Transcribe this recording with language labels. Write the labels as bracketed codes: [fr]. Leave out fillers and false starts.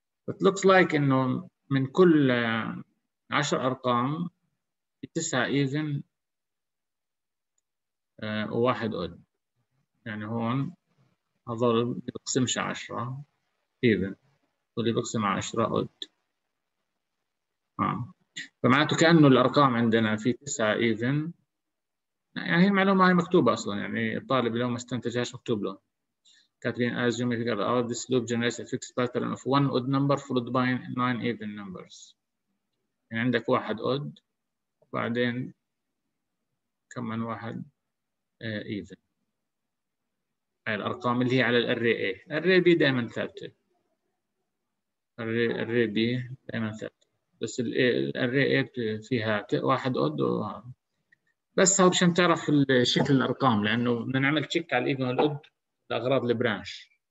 [en] It looks like [ar] إنه من كل 10 أرقام في 9 even وواحد odd، يعني هون هذول بيقسمش 10 even واللي بيقسم 10 odd. فمعناته كأنه الأرقام عندنا في 9 even، يعني هي المعلومة هي مكتوبة أصلا، يعني الطالب لو ما استنتجهاش مكتوب له. كاتبين [en] as you may figure out this loop generates a fixed pattern of one odd number followed by nine even numbers. [ar] يعني عندك واحد odd وبعدين كمان واحد even. هاي الأرقام اللي هي على الأري A. الأري B دائما ثابتة. الأري B دائما ثابتة. بس الأري A فيها واحد odd بس، هو عشان تعرف شكل الأرقام، لأنه بدنا نعمل تشيك على الإيفن والأود لأغراض البرانش.